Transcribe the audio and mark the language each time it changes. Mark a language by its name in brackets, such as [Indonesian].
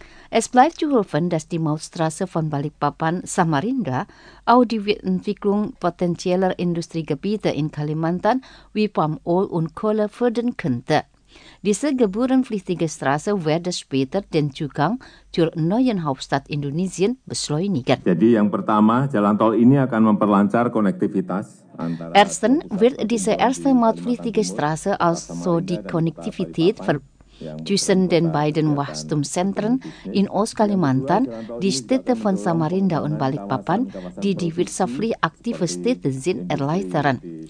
[German] Es bleibt zu hoffen, dass die Mautstraße von Balikpapan, Samarinda, auch die Entwicklung potenzieller Industriegebiete in Kalimantan wie Palmöl und Kohle fördern könnte. Diese gebührenpflichtige Straße werde später den Zugang zur neuen Hauptstadt Indonesien beschleunigen. [Indonesian] Jadi yang pertama, jalan tol ini akan memperlancar konektivitas. [German] Erstens wird diese erste mautpflichtige Straße also die Konnektivität zwischen den beiden Wachstumszentren in Ost-Kalimantan, die Städte von Samarinda und Balikpapan, die die wirtschaftlich aktive Städte sind, erleichtern.